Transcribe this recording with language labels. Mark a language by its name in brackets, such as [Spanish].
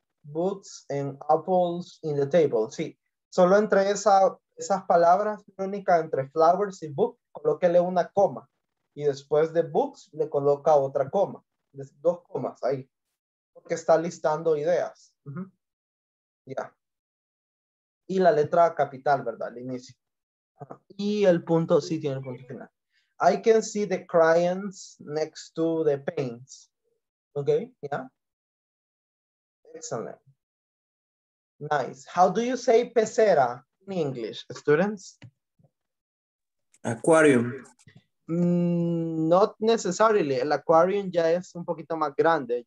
[English] Books and apples in the table. [Spanish] Sí, solo entre esas palabras, Verónica, entre flowers y book, colóquele una coma. Y después de books, le coloca otra coma. Dos comas ahí. Porque está listando ideas. Ya. Y la letra capital, ¿verdad? Al inicio. Y el punto, sí, tiene el punto final. [English] I can see the crayons next to the paints. Ok, ya. Yeah. Excellent. Nice. How do you say pecera in English, students? Aquarium. Not necessarily. [Spanish] El aquarium ya es un poquito más grande.